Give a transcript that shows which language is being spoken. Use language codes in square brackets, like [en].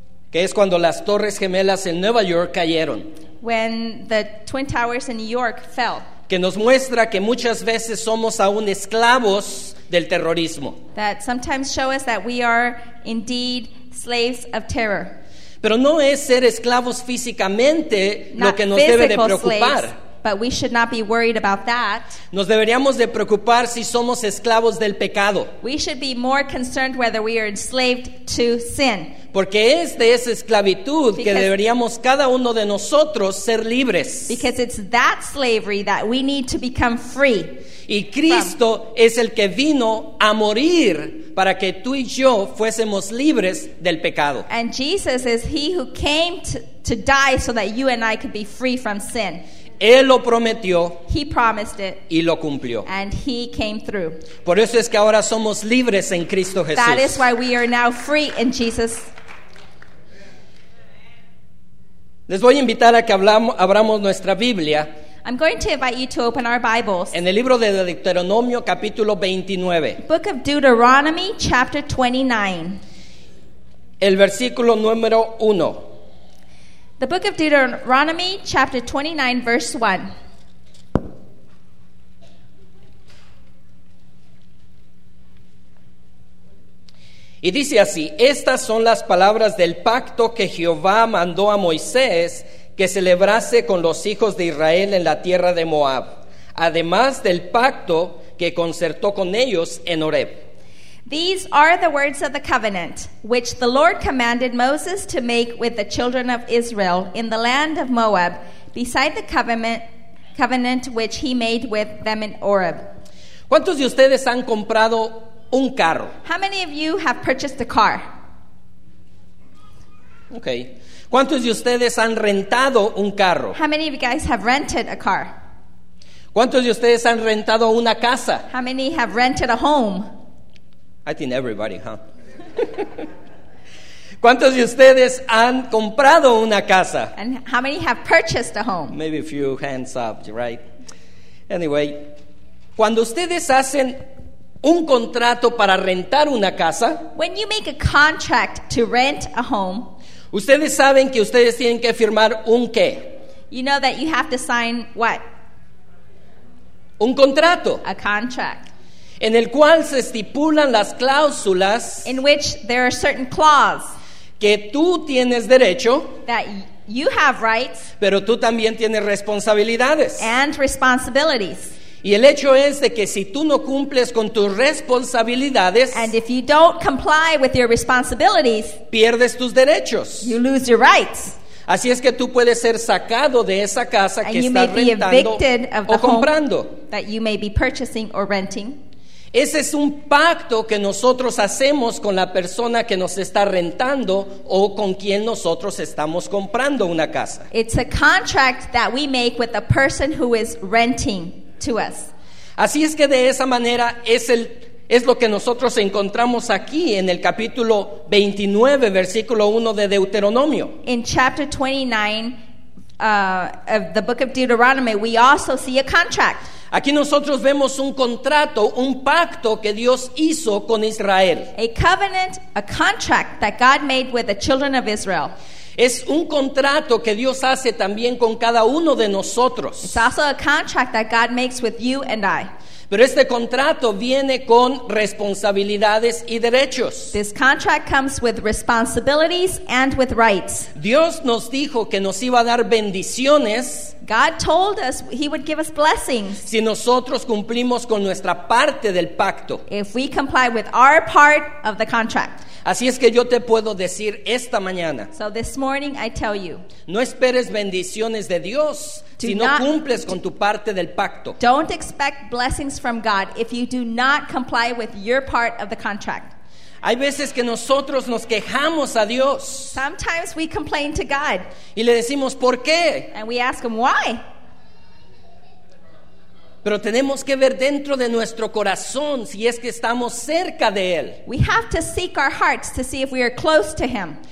[es] Que es cuando las Torres Gemelas en Nueva York cayeron. [en] when the Twin Towers in New York fell. [es] Que nos muestra que muchas veces somos aún esclavos del terrorismo. [en] That sometimes show us that we are indeed slaves of terror. [es] Pero no es ser esclavos físicamente [en] not [es] lo que nos debe de preocupar. [en] Slaves, but we should not be worried about that. [es] Nos deberíamos de preocupar si somos esclavos del pecado. [en] We should be more concerned whether we are enslaved to sin. [es] Porque es de esa esclavitud [en] because, [es] que deberíamos cada uno de nosotros ser libres. [en] Because it's that slavery that we need to become free. [es] Y Cristo [en] from. [es] Es el que vino a morir para que tú y yo fuésemos libres del pecado. [en] And Jesus is he who came to die so that you and I could be free from sin. [es] Él lo prometió. [en] He promised it. [es] Y lo cumplió. [en] And he came through. [es] Por eso es que ahora somos libres en Cristo Jesús. [en] That is why we are now free in Jesus. [es] Les voy a invitar a que abramos nuestra Biblia. [en] I'm going to invite you to open our Bibles. [es] En el libro de Deuteronomio, capítulo 29. [en] Book of Deuteronomy, chapter 29. [es] El versículo número 1. [en] The book of Deuteronomy, chapter 29, verse 1. [es] Y dice así, estas son las palabras del pacto que Jehová mandó a Moisés que celebrase con los hijos de Israel en la tierra de Moab, además del pacto que concertó con ellos en Horeb. [en] These are the words of the covenant which the Lord commanded Moses to make with the children of Israel in the land of Moab, beside the covenant which he made with them in Horeb. [es] ¿Cuántos de ustedes han comprado un carro? [en] How many of you have purchased a car? [es] Okay. ¿Cuántos de ustedes han rentado un carro? [en] How many of you guys have rented a car? [es] ¿Cuántos de ustedes han rentado una casa? [en] How many have rented a home? I think everybody, huh? [es] ¿Cuántos de ustedes han comprado una casa? [en] And how many have purchased a home? Maybe a few hands up, right? Anyway, [es] cuando ustedes hacen un contrato para rentar una casa, [en] when you make a contract to rent a home, [es] ustedes saben que ustedes tienen que firmar un qué? [en] You know that you have to sign what? [es] Un contrato. [en] A contract. [es] En el cual se estipulan las cláusulas [en] in which there are certain clause [es] que tú tienes derecho [en] that you have rights [es] pero tú también tienes responsabilidades [en] and responsibilities. [es] Y el hecho es de que si tú no cumples con tus responsabilidades [en] and if you don't comply with your responsibilities [es] pierdes tus derechos [en] you lose your rights. [es] Así es que tú puedes ser sacado de esa casa [en] and [es] que estás rentando o comprando [en] that you may be purchasing or renting. [es] Ese es un pacto que nosotros hacemos con la persona que nos está rentando o con quien nosotros estamos comprando una casa. [en] It's a contract that we make with the person who is renting to us. [es] Así es que de esa manera es lo que nosotros encontramos aquí en el capítulo 29, versículo 1 de Deuteronomio. [en] In chapter 29 of the book of Deuteronomy, we also see a contract. [es] Aquí nosotros vemos un contrato, un pacto que Dios hizo con Israel. [en] A covenant, a contract that God made with the children of Israel. [es] Es un contrato que Dios hace también con cada uno de nosotros. [en] It's also a contract that God makes with you and I. [es] Pero este contrato viene con responsabilidades y derechos. [en] This contract comes with responsibilities and with rights. [es] Dios nos dijo que nos iba a dar bendiciones. [en] God told us he would give us blessings. [es] Si nosotros cumplimos con nuestra parte del pacto. [en] If we comply with our part of the contract. [es] Así es que yo te puedo decir esta mañana. [en] So this morning I tell you. [es] No esperes bendiciones de Dios. Si no cumples con tu parte del pacto. [en] Don't expect blessings from God if you do not comply with your part of the contract. [es] Hay veces que nosotros nos quejamos a Dios. [en] Sometimes we complain to God. [es] Y le decimos, ¿por qué? [en] And we ask him why. [es] Pero tenemos que ver dentro de nuestro corazón si es que estamos cerca de él. [en] We have to seek our hearts to see if we are close to him.